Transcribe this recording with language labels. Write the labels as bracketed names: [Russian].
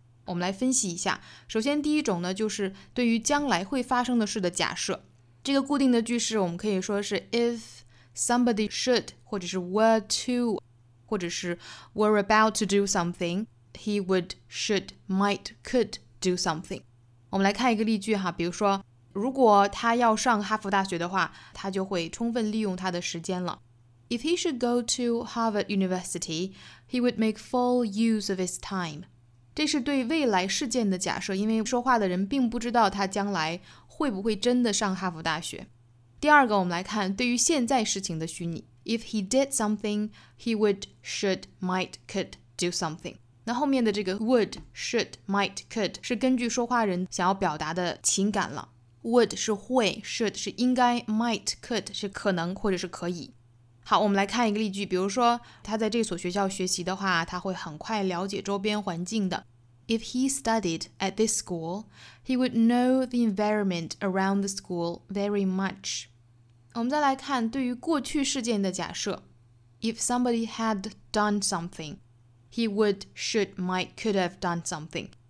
[Chinese] 我们来分析一下首先第一种呢就是对于将来会发生的事的假设这个固定的句式我们可以说是 [English] if somebody should [Chinese] 或者是 [English] were to [Chinese] 或者是 [English] were about to do something, he would, should, might, could do something. [Chinese] 我们来看一个例句哈，比如说，如果他要上哈佛大学的话，他就会充分利用他的时间了。 [English] If he should go to Harvard University, he would make full use of his time. [Chinese] 这是对未来事件的假设，因为说话的人并不知道他将来会不会真的上哈佛大学。第二个，我们来看对于现在事情的虚拟。 [English] If he did something, he would, should, might, could do something. [Chinese] 那后面的这个 [English] would, should, might, could [Chinese] 是根据说话人想要表达的情感了。 Would 是会 ,should 是应该 ,might, could 是可能或者是可以。好我们来看一个例句比如说他在这所学校学习的话他会很快了解周边环境的。 [English] If he studied at this school, he would know the environment around the school very much. [Chinese] 我们再来看对于过去事件的假设 [English] If somebody had done something, he would, should, might, could have done something.